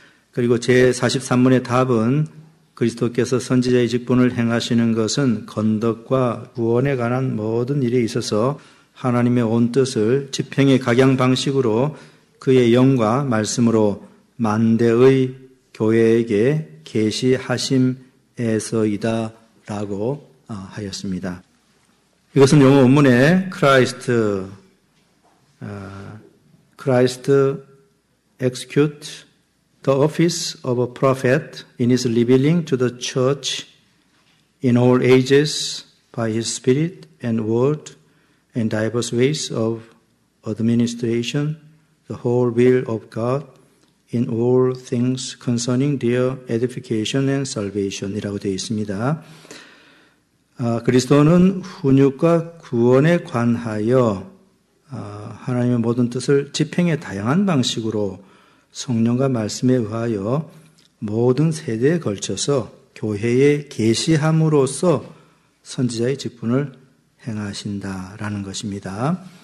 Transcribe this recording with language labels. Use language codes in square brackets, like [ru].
[ko] 그리고 제43문의 답은 그리스도께서 선지자의 직분을 행하시는 것은 건덕과 구원에 관한 모든 일에 있어서 하나님의 온 뜻을 집행의 각양 방식으로 그의 영과 말씀으로 만대의 교회에게 계시하심에서이다 라고 하였습니다. 이것은 영어 원문에 [en] Christ execute the office of a prophet in his revealing to the church in all ages by his spirit and word and diverse ways of administration the whole will of God in all things concerning their edification and salvation [ko] 이라고 되어 있습니다. 그리스도는 훈육과 구원에 관하여 하나님의 모든 뜻을 집행의 다양한 방식으로 성령과 말씀에 의하여 모든 세대에 걸쳐서 교회에 계시함으로써 선지자의 직분을 행하신다라는 것입니다.